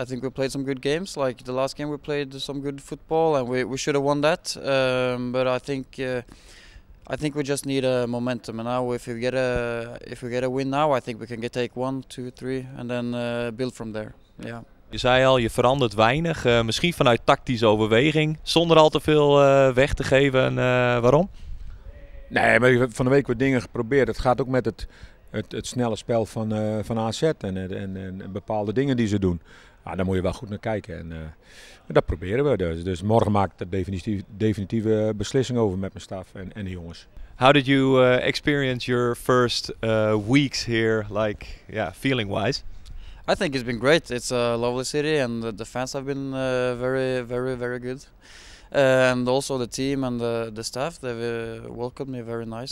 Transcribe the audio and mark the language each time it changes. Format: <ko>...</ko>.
<en>I think we played some good games, like the last game we played some good football, and we should have won that. But I think we just need a momentum, and now if we get a win now, I think we can take 1, 2, 3 and then build from there. Yeah.</en> <nl>Je zei al, je verandert weinig, misschien vanuit tactische overweging, zonder al te veel weg te geven. Waarom? Nee, maar van de week wat dingen geprobeerd. Het gaat ook met het snelle spel van AZ en bepaalde dingen die ze doen. Ah, daar moet je wel goed naar kijken. En dat proberen we dus. Dus morgen maak ik de definitieve beslissing over met mijn staf en de jongens.</nl> <en>How did you experience your first weeks here, like, yeah, feeling-wise? I think it's been great. It's a lovely city and the fans have been very, very, very good. And also the team and the staff, they've welcomed me very nice.</en>